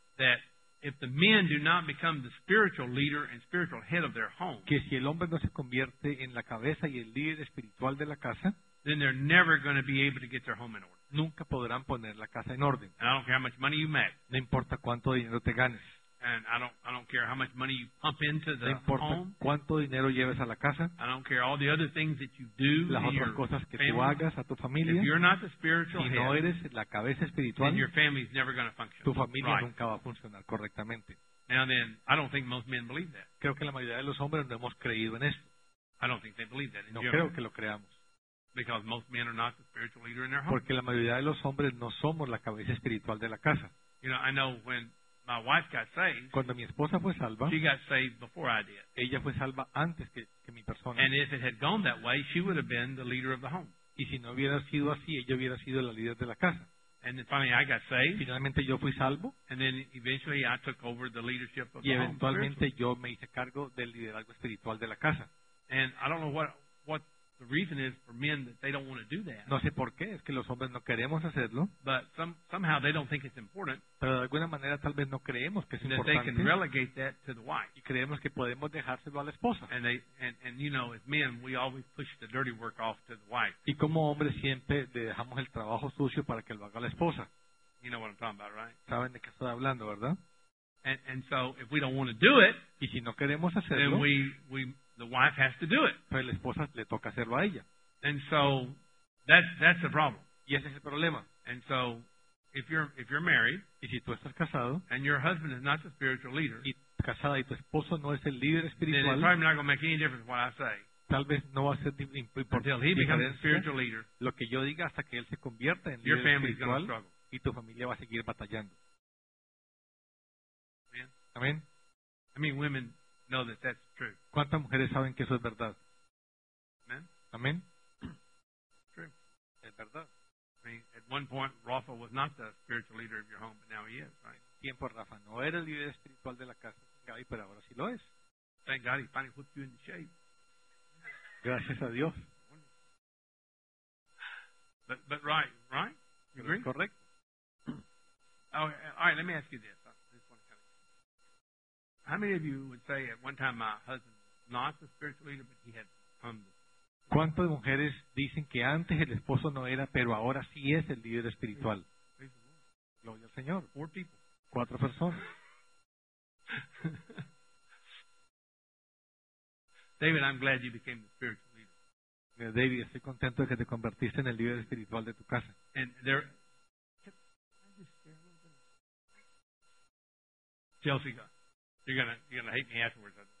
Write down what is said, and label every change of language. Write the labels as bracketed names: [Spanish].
[English] That if the men do not become the spiritual leader and spiritual head of their home. [Spanish] Que si el hombre no se convierte en la cabeza y el líder espiritual de la casa. [English] Then they're never going to be able to get their home in order. [Spanish] Nunca podrán poner la casa en orden. [English] And I don't care how much money you make. [Spanish] No importa cuánto dinero te ganes. [English] And I don't care how much money you pump into the home. [Spanish] No importa cuánto dinero lleves a la casa. [English] I don't care all the other things that you do. [Spanish] Las otras cosas que [English] family. [Spanish] Tú hagas a tu familia. [English] If you're not the spiritual head, [Spanish] si no eres la cabeza espiritual, [English] then your family's never going to function. [Spanish] Tu familia [English] right. [Spanish] Nunca va a funcionar correctamente. [English] Now then, I don't think most men believe that. [Spanish] Creo que la mayoría de los hombres no hemos creído en esto. [English] I don't think they believe that. [Spanish] No creo que lo creamos. [English] Because most men are not the spiritual leader in their home. [Spanish] Porque la mayoría de los hombres no somos la cabeza espiritual de la casa. [English] You know, I know when my wife got saved. [Spanish] Cuando mi esposa fue salva, [English] she got saved before I did. [Spanish] Ella fue salva antes que mi persona. [English] And if it had gone that way, she would have been the leader of the home. [Spanish] Y si no hubiera sido así, ella hubiera sido la líder de la casa. [English] And then finally, I got saved. [Spanish] Finalmente, yo fui salvo. [English] And then eventually, I took over the leadership of the home. [Spanish] Y eventualmente, yo me hice cargo del liderazgo espiritual de la casa. [English] And I don't know what the reason is for men that they don't want to do that. [Spanish] No sé por qué, es que los hombres no queremos hacerlo. [English] But somehow they don't think it's important. [Spanish] Pero de alguna manera tal vez no creemos que es importante. [English] That they can relegate that to the wife. [Spanish] Y creemos que podemos dejárselo a la esposa. [English] And you know, as men, we always push the dirty work off to the wife. [Spanish] Y como hombres siempre dejamos el trabajo sucio para que lo haga la esposa. [English] You know what I'm talking about, right? [Spanish] ¿Saben de qué estoy hablando, verdad? [English] And so if we don't want to do it, [Spanish] y si no queremos hacerlo, [English] then we the wife has to do it. [Spanish] Pero la esposa le toca hacerlo a ella. [English] And so that's the problem. [Spanish] Y ese es el problema. [English] And so if you're married, [Spanish] y si tú estás casado, [English] and your husband is not the spiritual leader, [Spanish] y casada y tu esposo no es el líder espiritual, [English] then it's probably not going to make any difference what I say. [Spanish] Tal vez no va a ser [English] until he becomes the spiritual leader, [Spanish] lo que yo diga hasta que él se convierta en [English] your [Spanish] líder espiritual, [English] family's going to struggle. [Spanish] Y tu familia va a seguir batallando. [English] Amen. [Spanish] Amen. [English] I mean, women know that that's true. [Spanish] ¿Cuántas mujeres saben que eso es verdad? [English] Amen. [Spanish] Amen. [English] True. [Spanish] Es verdad. [English] I mean, at one point, Rafa was not the spiritual leader of your home, but now he is, right? [Spanish] Tiempo, Rafa no era el líder espiritual de la casa, Gaby, pero ahora sí lo es. [English] Thank God he finally put you in the shade. [Spanish] Gracias a Dios. [English] But right? You agree? [Spanish] Correcto. [English] Okay, all right, let me ask you this. How many of you would say at one time my husband was not the spiritual leader, but he had become the spiritual leader? [Spanish] ¿Cuántas mujeres dicen que antes el esposo no era, pero ahora sí es el líder espiritual? Gloria al Señor. [English] Four people. [Spanish] Cuatro personas. [English] David, I'm glad you became the spiritual leader. [Spanish] David, estoy contento de que te convertiste en el líder espiritual de tu casa. [English] And there, can I just share a little bit? Chelsea, God. You're gonna hate me afterwards.